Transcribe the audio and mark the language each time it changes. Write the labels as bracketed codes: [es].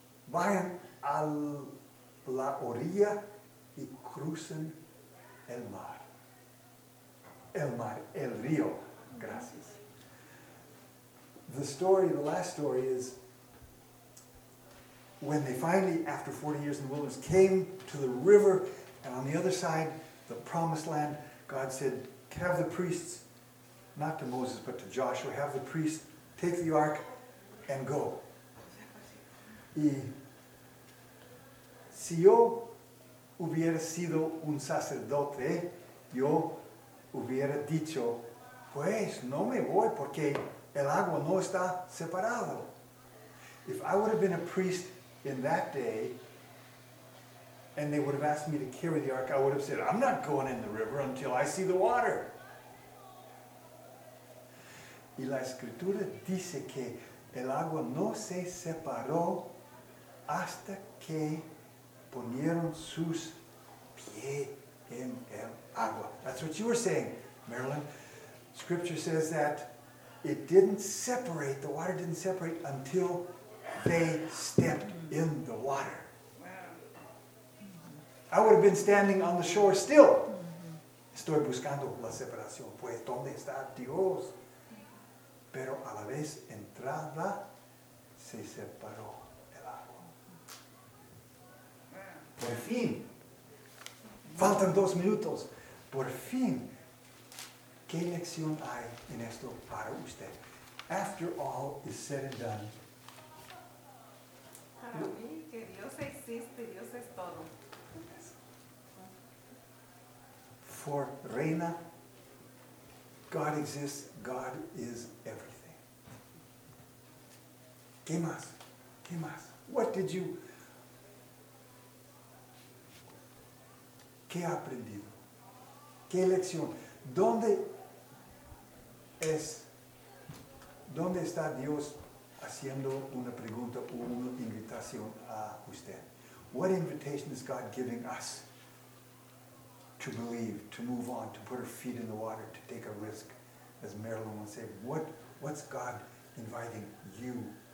[es] Vayan a la orilla y crucen el mar. El mar, el río. Gracias. [en] The story, the last story is when they finally, after 40 years in the wilderness, came to the river, and on the other side, the promised land, God said, have the priests, not to Moses, but to Joshua, have the priest take the ark and go. [es] Y si yo hubiera sido un sacerdote, yo hubiera dicho, pues no me voy porque el agua no está separado. [en] If I would have been a priest in that day, and they would have asked me to carry the ark, I would have said, I'm not going in the river until I see the water. [es] Y la escritura dice que el agua no se separó hasta que ponieron sus pies en el agua. [en] That's what you were saying, Marilyn. Scripture says that it didn't separate, the water didn't separate until they stepped in the water. Wow. I would have been standing on the shore still. [es] Estoy buscando la separación. Pues, ¿dónde está Dios? Pero a la vez entrada se separó el agua. Por fin, faltan 2 minutos. Por fin, ¿qué lección hay en esto para usted? [en] After all is said and done. [es] Para mí, que Dios existe, Dios es todo. [en] Yes. For Reina, God exists, God is everything. [es] ¿Qué más? ¿Qué más? [en] What did you... [es] ¿Qué ha aprendido? ¿Qué lección? ¿Dónde es... ¿Dónde está Dios haciendo una pregunta o una invitación a usted? [en] What invitation is God giving us to believe, to move on, to put our feet in the water, to take a risk? As Marilyn would say, what's God inviting you